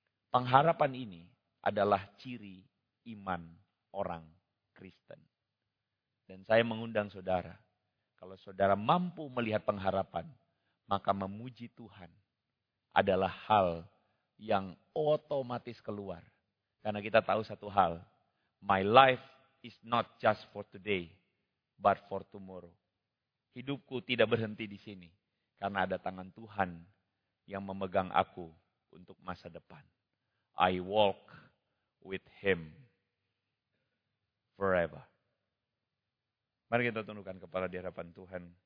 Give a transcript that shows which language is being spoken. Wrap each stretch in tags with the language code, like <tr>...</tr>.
<id>Pengharapan ini adalah ciri iman orang Kristen. Dan saya mengundang saudara, kalau saudara mampu melihat pengharapan, maka memuji Tuhan adalah hal yang otomatis keluar. Karena kita tahu satu hal,</id> <en>my life is not just for today, but for tomorrow.</en> <id>Hidupku tidak berhenti di sini, karena ada tangan Tuhan yang memegang aku untuk masa depan.</id> <en>I walk with Him forever.</en> <id>Mari kita tundukkan kepala di hadapan Tuhan.</id>